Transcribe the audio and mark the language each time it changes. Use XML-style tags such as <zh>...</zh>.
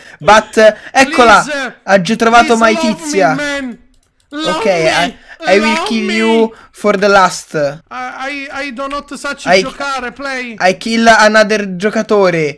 <it>But eccola, ha già trovato my tizia. Ok,</it> <en>I will kill you for the last. I do not such giocare, play. I kill another giocatore.</en>